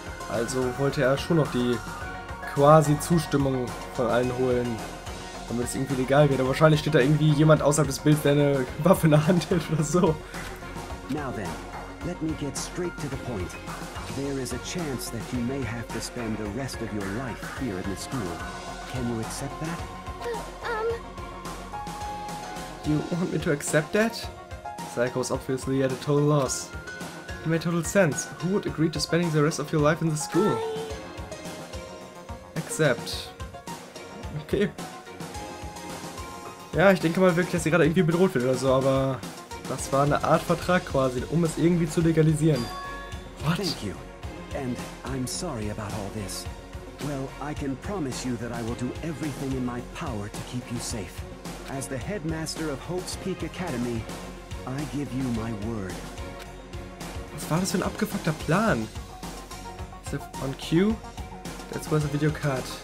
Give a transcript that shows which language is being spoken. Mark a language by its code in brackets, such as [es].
[de] Also wollte er schon noch die quasi Zustimmung von allen holen. Damit es irgendwie legal wird. Aber wahrscheinlich steht da irgendwie jemand außerhalb des Bildes, der eine Waffe in der Hand hält oder so. [en] Now then, let me get straight to the point. There is a chance that you may have to spend the rest of your life here in the school. Can you accept that? Do you want me to accept that? Sayaka's obviously at a total loss. It made total sense. Who would agree to spending the rest of your life in the school? Accept. Okay. [de] Ja, ich denke mal wirklich, dass sie gerade irgendwie bedroht wird oder so, aber das war eine Art Vertrag quasi, um es irgendwie zu legalisieren. [en] What? Thank you. And I'm sorry about all this. Well, I can promise you that I will do everything in my power to keep you safe. As the headmaster of Hope's Peak Academy, I give you my word. [de] Was war das für ein abgefuckter Plan? [en] Is it on cue? That's where the video card.